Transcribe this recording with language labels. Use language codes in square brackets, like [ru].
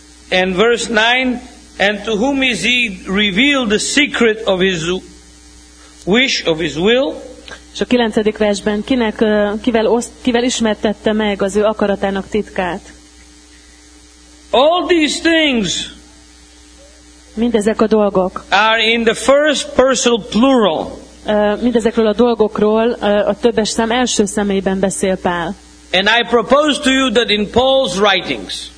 [en] And verse 9, and to whom is he revealed the secret of his wish, of his will? [hu] És a 9. versben kinek, kivel ismertette meg az ő akaratának titkát? [en] All these things. [hu] Mindezek a dolgok. [en] Are in the first person plural. [hu] Mindezekről a dolgokról a többes szám első személyben beszél Pál. [en] And I propose to you that in Paul's writings.